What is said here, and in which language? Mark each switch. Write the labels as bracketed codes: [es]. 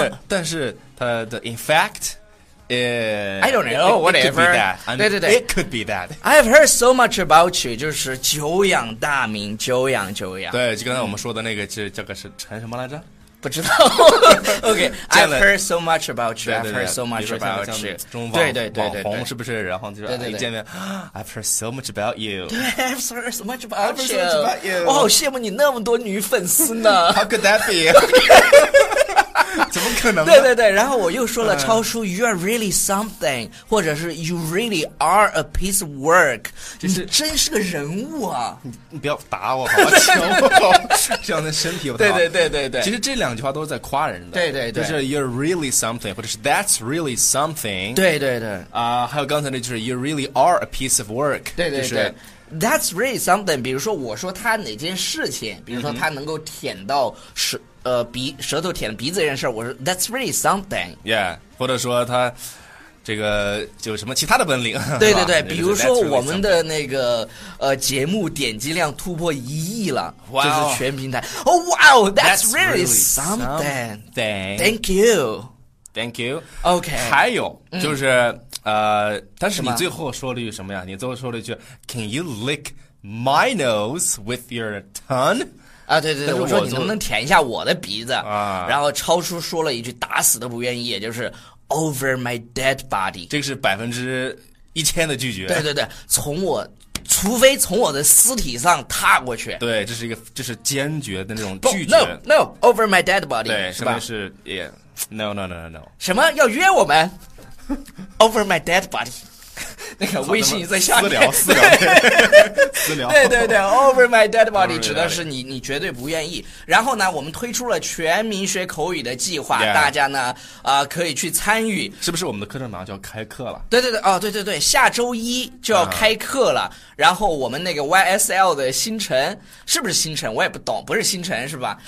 [zh] 但是他的 [en] in fact I don't know whatever it could be that. [zh] 对对对 [en] it could be that. I've heard so much about you, [zh] 就是久仰大名，久仰久仰。对，就刚才我们说的那个是这个是陈什么来着？不知道。 [en] OK, I've heard so much about you. [zh] 对对对 [en] I've heard so much about you. [zh] 这种网红是不是？然后就说对对对 [en] 一见面 ，I've heard so much about you. 对 ，I've heard so much about you. I've heard so much about you. [zh] 我好羡慕你那么多女粉丝呢。 [en] How could that be? [zh] 怎么可能呢？对对对，然后我又说了超叔 [en] ，You are really something， [zh] 或者是 [en] You really are a piece of work， [zh] 就是你真是个人物啊！你不要打我好吗？求我，这样的身体不太好。对对对对对，其实这两句话都是在夸人的。对对对， [en] 就是 You're really something， 或者是 That's really something。 [zh] 对对对，还有刚才那就是 [en] You really are a piece of work。 [zh] 对对对。就是 [en] That's really something. [zh] 比如说，我说他哪件事情，比如说他能够舔到舌头舔鼻子这件事，我说 [en] That's really something. [zh] Yeah, 或者说他这个就什么其他的本领。对对对，是比如说我们的那个节目点击量突破一亿了， [en] wow. [zh] 就是全平台。 [en] Oh wow, that's really something. Thank you. Thank you. Okay. [zh] 还有就是。但是你最后说了一句什么呀？你最后说了一句 ， [en] Can you lick my nose with your tongue？ [zh] 啊，对对对，我说你能不能舔一下我的鼻子？然后超叔说了一句打死都不愿意，就是 [en] Over my dead body。 [zh] 这个是1000%的拒绝。对对对，除非从我的尸体上踏过去。对，这是一个就是坚决的那种拒绝。 [en] No, over my dead body。 [zh] 对，是吧？ [en] 是 ，Yeah，No。 [zh] 什么要约我们？ [en] Over my dead body， [zh] 那个微信在下面私聊，对对对 ， [en] Over my dead body [zh] 指的是你绝对不愿意。然后呢，我们推出了全民学口语的计划， [en] yeah. [zh] 大家呢可以去参与。是不是我们的课程马上就要开课了？对对对，哦对对对，下周一就要开课了。然后我们那个 YSL 的星辰，是不是星辰？我也不懂，不是星辰是吧？